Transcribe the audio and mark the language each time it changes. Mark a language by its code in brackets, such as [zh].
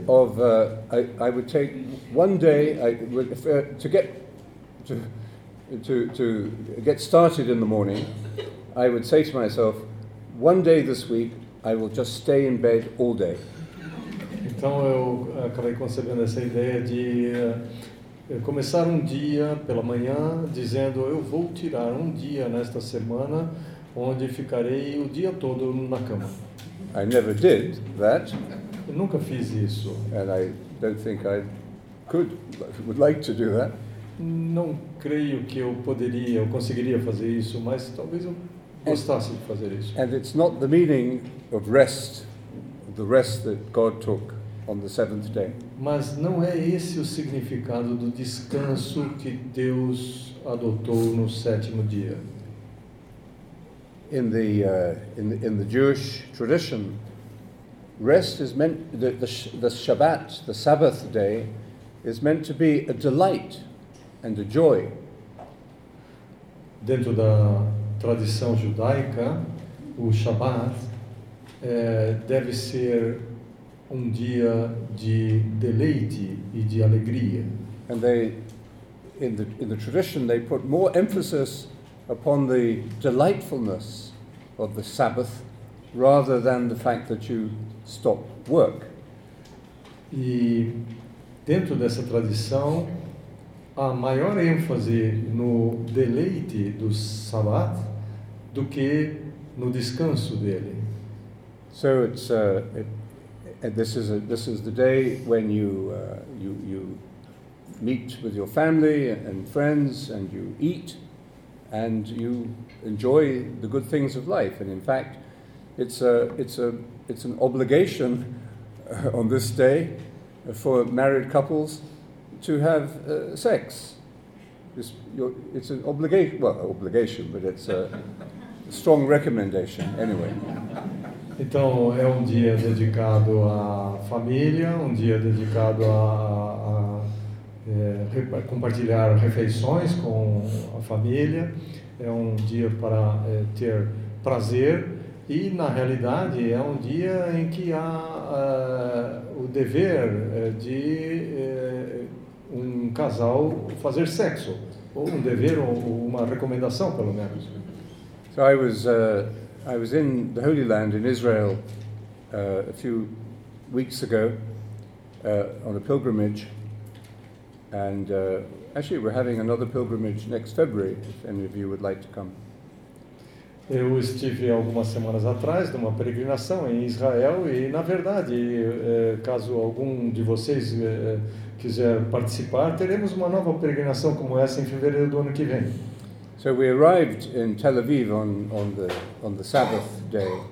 [en] Of I would take one day to get started in the morning. I would say to myself, one day this week I will just stay in bed all day. [pt] Então eu acabei concebendo essa ideia de começar um dia pela manhã dizendo eu vou tirar um dia nesta semana onde ficarei o dia todo na cama. [en] I never did that. [pt] Eu nunca fiz isso. [en] And I don't think I could, would like to do that. [pt] Não creio que eu poderia, eu conseguiria fazer isso, mas talvez eu gostasse de fazer isso. [en] And it's not the meaning of rest, the rest that God took on the seventh day. [pt] Mas não é esse o significado do descanso que Deus adotou no sétimo dia. [en] In the Jewish tradition, rest is meant the Shabbat, the Sabbath day, is meant to be a delight and a joy. [pt] Dentro da tradição judaica, o Shabbat deve ser um dia de deleite e de alegria. [en] And they, in the tradition, they put more emphasis upon the delightfulness of the Sabbath rather than the fact that you stop work. [pt] E dentro dessa tradição, há maior ênfase no deleite do Sabbat do que no descanso dele. [en] So it's this is the day when you meet with your family and friends and you eat and you enjoy the good things of life. And in fact, it's an obligation on this day for married couples to have sex. It's an obligation, but it's a strong recommendation anyway. [pt] Então é um dia dedicado à família, um dia dedicado a compartilhar refeições com a família, é um dia para ter prazer e na realidade é um dia em que há o dever de um casal fazer sexo, ou um dever ou uma recomendação pelo menos. [en] So I was in the Holy Land in Israel a few weeks ago on a pilgrimage, and actually we're having another pilgrimage next February if any of you would like to come. [pt] Eu estive algumas semanas atrás numa peregrinação em Israel e na verdade caso algum de vocês quiser participar, teremos uma nova peregrinação como essa em fevereiro do ano que vem. [en] So we arrived in Tel Aviv on the Sabbath day.